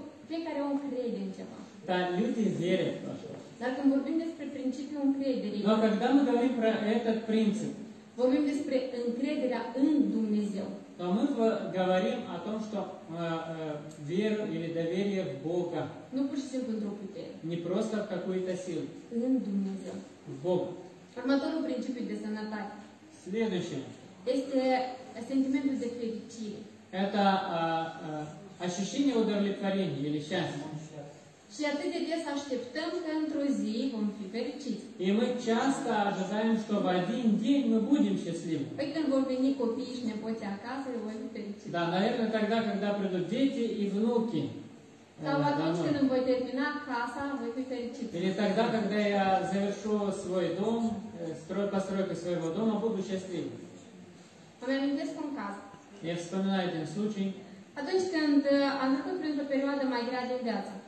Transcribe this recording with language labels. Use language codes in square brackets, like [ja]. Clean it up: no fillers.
[ro] Fiecare om crede în ceva. [ru] Да, люди верят. [ro] Dar când vorbim despre principiul încrederii. [ru] Но когда мы говорим про этот принцип. [ro] Vorbim despre încrederea în Dumnezeu. [ru] То мы говорим о том, что веру или доверие в Бога. [ro] Nu pur și simplu într-o putere. [ru] Не просто в какую-то силу. [ro] În Dumnezeu. [ru] В Бог. [ro] Următorul principiu de sănătate. [ru] Следующий. [ro] Este sentimentul de fericire. [ru] Это ощущение удовлетворения или счастья. [ro] Și atât de des așteptăm că într-o zi vom fi fericiți. [ru] И мы часто ожидаем, что в один день мы будем счастливы. [ro] Păi când vor veni copiii și nepoții acasă, vom fi fericiți. [ru] Да, наверное, тогда, когда придут дети и внуки. [ro] Sau atunci când îmi voi termina casa, voi fi fericiți. [ru] Или тогда, когда я завершу свой дом, постройка своего дома, буду счастливы. [ro] Îmi amintesc un caz. [ru] Я вспоминаю один случай. [ro] Atunci când am trecut printr-o perioadă mai grea de viață.